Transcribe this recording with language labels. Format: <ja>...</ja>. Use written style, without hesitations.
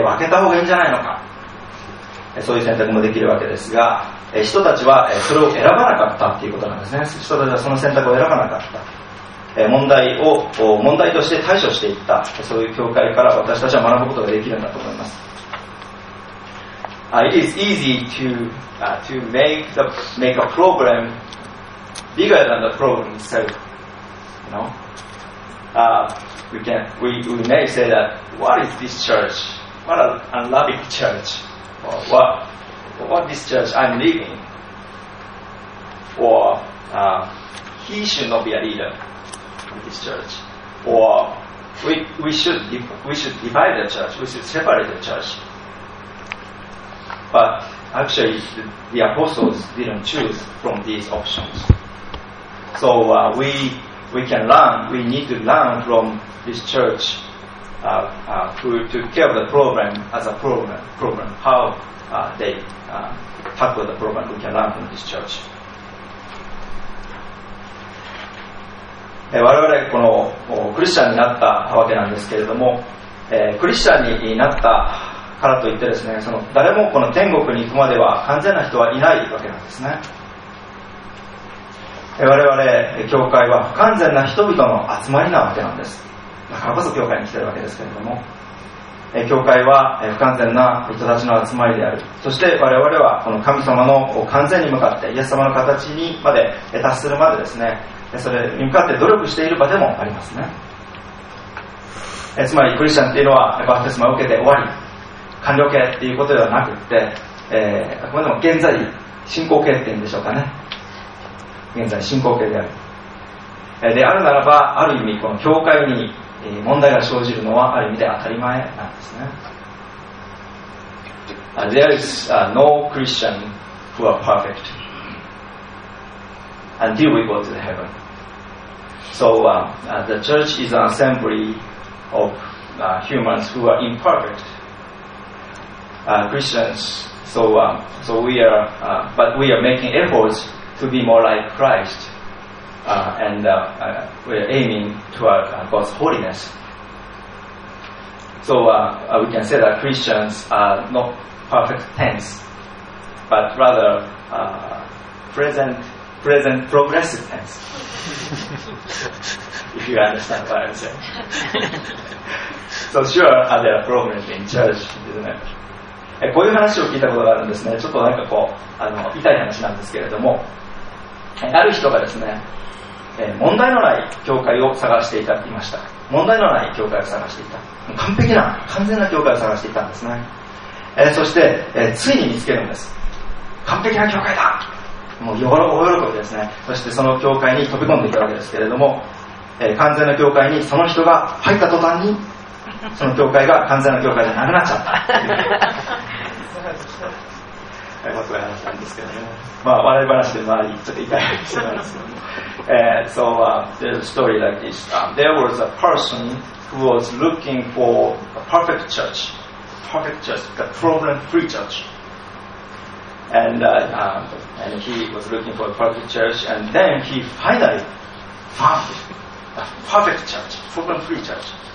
<ja>分けた方がいいんじゃないのか、そういう選択もできるわけですが、人たちはそれを選ばなかったということなんですね。人たちはその選択を選ばなかった、問題として対処していった、そういう教会から私たちは学ぶことができるんだと思います。</ja> <en>It is easy to make a problem bigger than the problem itself. You know? We may say that, what is this church? What an unloving church. Or what this church I'm leaving? Or he should not be a leader in this church. Or we should divide the church. We should separate the church. But actually, the apostles didn't choose from these options. So we can learn, we need to learn from this church who took care of the problem as a problem. How they tackled the problem, we can learn from this church.</en> <ja>我々このクリスチャンになったわけなんですけれども、クリスチャンになったからといってですね、その誰もこの天国に行くまでは完全な人はいないわけなんですね。我々教会は不完全な人々の集まりなわけなんです。だからこそ教会に来てるわけですけれども、教会は不完全な人たちの集まりである。そして我々はこの神様の完全に向かって、イエス様の形にまで達するまでですね、それに向かって努力している場でもありますね。つまりクリスチャンというのはバプテスマを受けて終わり、完了形っていうことではなくって、これでも現在進行形っていうんでしょうかね、現在進行形である。であるならば、ある意味この教会に問題が生じるのはある意味で当たり前なんですね。</ja> <en>There is no Christian who are perfect until we go to heaven. So the church is an assembly of humans who are imperfectChristians, so we are making efforts to be more like Christ, and we are aiming toward God's holiness. So we can say that Christians are not perfect tense, but rather present progressive tense. If you understand what I'm saying. So sure, there are problems in church, isn't it?</en> <ja>こういう話を聞いたことがあるんですね。ちょっとなんかこう痛い話なんですけれども、ある人がですね、問題のない教会を探していたって言いました。問題のない教会を探していた、完璧な完全な教会を探していたんですね。そして、ついに見つけるんです。完璧な教会だ、もう大喜びですね。そしてその教会に飛び込んでいたわけですけれども、完全な教会にその人が入った途端に、その教会が完全な教会じゃなくなっちゃったという僕が話したんですけどね、まあ、笑い話でもありちょっと痛い話なんですけど、</ja> <en>So there's a story like this. There was a person who was looking for a perfect church, perfect church, a problem-free church. And he was looking for a perfect church, and then he finally found a perfect church, problem-free church.</en>